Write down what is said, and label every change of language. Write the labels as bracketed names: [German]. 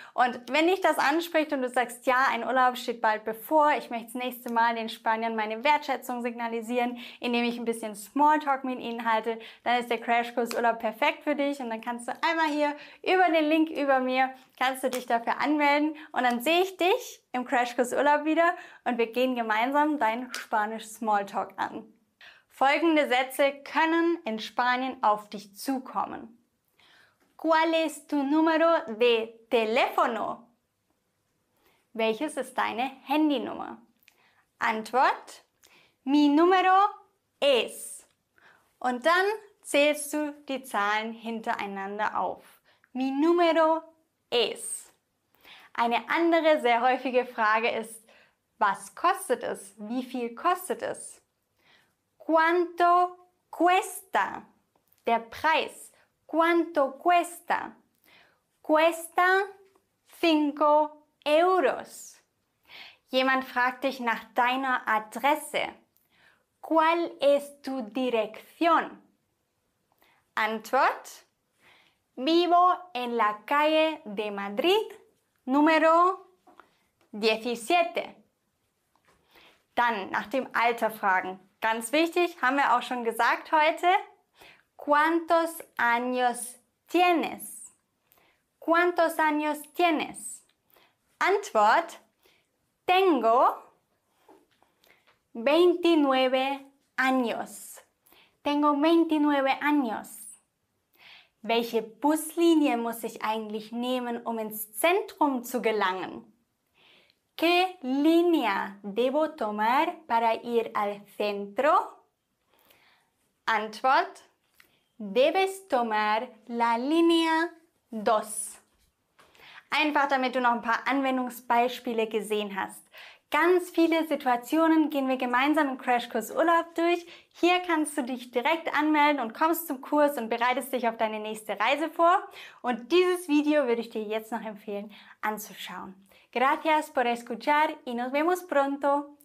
[German] Und wenn dich das anspricht und du sagst, ja, ein Urlaub steht bald bevor, ich möchte das nächste Mal den Spaniern meine Wertschätzung signalisieren, indem ich ein bisschen Smalltalk mit ihnen halte, dann ist der Crashkurs Urlaub perfekt für dich und dann kannst du einmal hier über den Link über mir, kannst du dich dafür anmelden und dann sehe ich dich im Crashkurs Urlaub wieder und wir gehen gemeinsam dein Spanisch Smalltalk an. Folgende Sätze können in Spanien auf dich zukommen. [Spanish] ¿Cuál es tu número de teléfono? [German] Welches ist deine Handynummer? Antwort: [Spanish] Mi número es. [German] Und dann zählst du die Zahlen hintereinander auf. [Spanish] Mi número es. [German] Eine andere sehr häufige Frage ist, was kostet es? Wie viel kostet es? [Spanish] ¿Cuánto cuesta? [German] Der Preis. [Spanish] ¿Cuánto cuesta? Cuesta 5 euros. [German] Jemand fragt dich nach deiner Adresse. [Spanish] ¿Cuál es tu dirección? Antwort: Vivo en la calle de Madrid, número 17. [German] Dann nach dem Alter fragen. Ganz wichtig, haben wir auch schon gesagt heute. [Spanish] ¿Cuántos años tienes? ¿Cuántos años tienes? Antwort: Tengo 29 años. Tengo 29 años. [German] Welche Buslinie muss ich eigentlich nehmen, um ins Zentrum zu gelangen? [Spanish] ¿Qué línea debo tomar para ir al centro? Antwort: Debes tomar la línea 2. [German] Einfach damit du noch ein paar Anwendungsbeispiele gesehen hast. Ganz viele Situationen gehen wir gemeinsam im Crashkurs Urlaub durch. Hier kannst du dich direkt anmelden und kommst zum Kurs und bereitest dich auf deine nächste Reise vor. Und dieses Video würde ich dir jetzt noch empfehlen anzuschauen. [Spanish] Gracias por escuchar y nos vemos pronto.